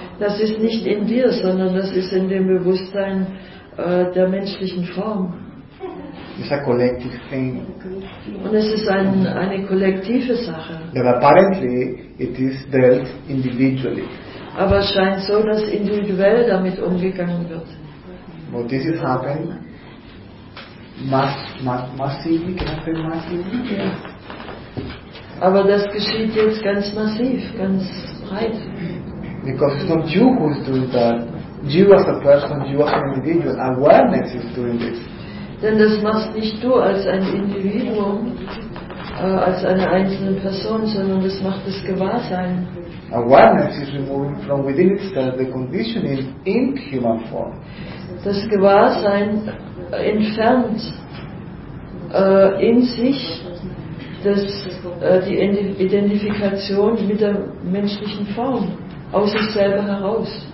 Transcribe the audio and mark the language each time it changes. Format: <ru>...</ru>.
<de>Das ist nicht in dir, sondern das ist in dem Bewusstsein der menschlichen Form.</de> <en>It's a collective thing.</en> <de>Und es ist eine kollektive Sache.</de> <en>But apparently it is dealt individually.</en> <de>Aber es scheint so, dass individuell damit umgegangen wird.</de> <en>But this is happening massively, can I say massively? Yeah.</en> <de>Aber das geschieht jetzt ganz massiv, ganz breit.</de> <en>Because it's not you who is doing that. You as a person, you as an individual, awareness is doing this.</en> <de>Denn das machst nicht du als ein Individuum, als eine einzelne Person, sondern das macht das Gewahrsein.</de> <en>Awareness is removing from within itself the conditioning in human form.</en> <de>Das Gewahrsein entfernt in sich die Identifikation mit der menschlichen Form aus sich selber heraus.</de>